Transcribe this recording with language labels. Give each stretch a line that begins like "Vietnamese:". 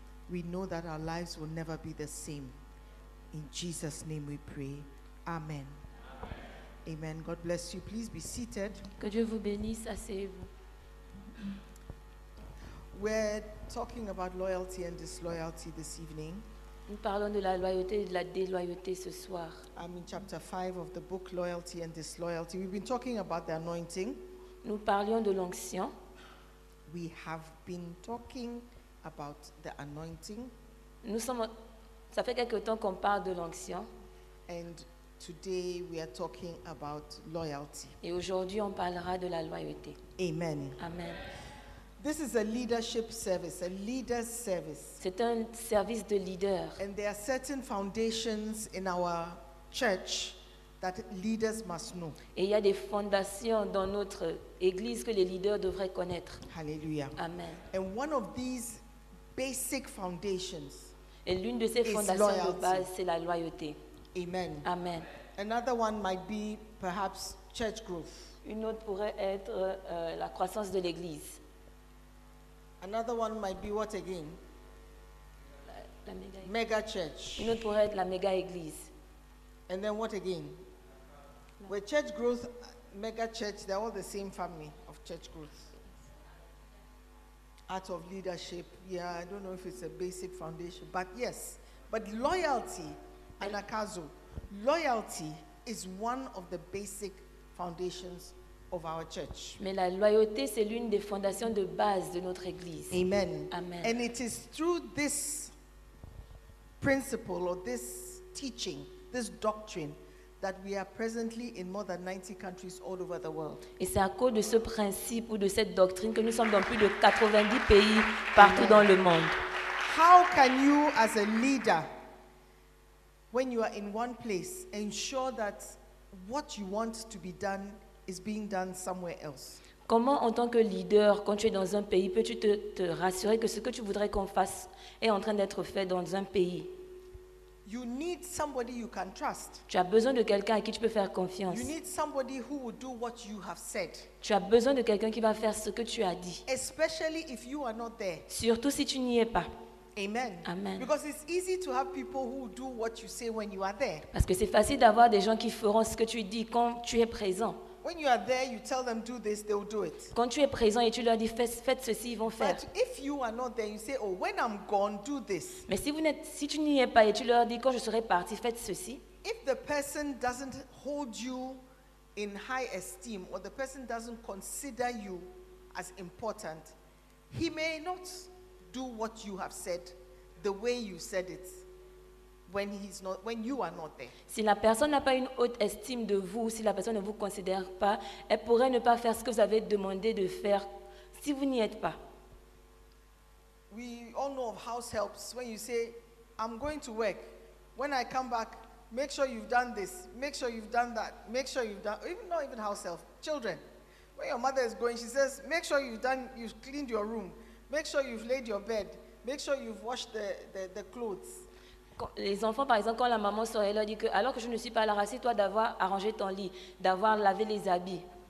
English: We know that our lives will never be the same. In Jesus' name we pray. Amen. Amen. God bless you. Please be seated.
French: Que Dieu vous bénisse. Asseyez-vous.
English: We're talking about loyalty and disloyalty this evening.
French: Nous parlons de la loyauté et de la déloyauté ce soir.
English: I'm in chapter 5 of the book Loyalty and Disloyalty. We've been talking about the anointing.
French: Nous parlions de l'onction.
English: We have been talking about the anointing.
French: Nous sommes. Ça fait quelque temps qu'on parle de l'onction.
English: And today we are talking about loyalty.
French: Et aujourd'hui, on parlera de la loyauté.
English: Amen. Amen. This is a leadership service, a leader's service.
French: C'est un service de leader.
English: And there are certain foundations in our church that leaders must know.
French: Et il y a des fondations dans notre église que les leaders devraient connaître.
English: Hallelujah. Amen. And one of these basic foundations.
French: Et l'une de ces fondations de base, c'est la loyauté.
English: Amen. Amen. Another one might be perhaps church growth.
French: Une autre pourrait être la croissance de l'église.
English: Another one might be what again?
French: La méga.
English: Mega church.
French: Une autre pourrait être la méga église.
English: And then what again? Where church growth, mega church, they're all the same family of church growth. Art of leadership. Yeah, I don't know if it's a basic foundation, but yes. But loyalty. Anakazu, loyalty is one of the basic foundations of our church.
French: Mais la loyauté, c'est l'une des fondations de base de notre église.
English: Amen. Amen. And it is through this principle or this teaching, this doctrine, that we are presently in more than 90 countries all over the world.
French: Et c'est à cause de ce principe ou de cette doctrine que nous sommes dans plus de 90 pays partout dans le monde.
English: How can you, as a leader, when you are in one place, ensure that what you want to be done is being done somewhere else?
French: Comment, en tant que leader, quand tu es dans un pays, peux-tu te rassurer que ce que tu voudrais qu'on fasse est en train d'être fait dans un pays?
English: You need somebody you can trust.
French: Tu as besoin de quelqu'un à qui tu peux faire confiance.
English: You need somebody who will do what you have said.
French: Tu as besoin de quelqu'un qui va faire ce que tu as dit.
English: Especially if you are not there.
French: Surtout si tu n'y es pas.
English: Amen. Amen. Because it's easy to have people who do what you say when you are there.
French: Parce que c'est facile d'avoir des gens qui feront ce que tu dis quand tu es présent.
English: When you are there, you tell them do this, they'll do it.
French: Quand tu es présent et tu leur dis faites ceci, ils vont faire.
English: But if you are not there, you say, oh, when I'm gone, do this.
French: Mais si tu n'y es pas et tu leur dis quand je serai parti, faites ceci.
English: If the person doesn't hold you in high esteem or the person doesn't consider you as important, he may not do what you have said the way you said it. When he's not, when you are not there.
French: Si la personne n'a pas une haute estime de vous, si la personne ne vous considère pas, elle pourrait ne pas faire ce que vous avez demandé de faire si vous n'y êtes pas.
English: We all know of house helps when you say, I'm going to work. When I come back, make sure you've done this, make sure you've done that, make sure you've done, even not even house help, children. When your mother is going, she says, make sure you've cleaned your room, make sure you've laid your bed, make sure you've washed the clothes.
French: Les enfants, par exemple, quand la maman sort, elle leur dit que, alors que je ne suis pas là, rassieds-toi d'avoir arrangé ton lit, d'avoir lavé les habits.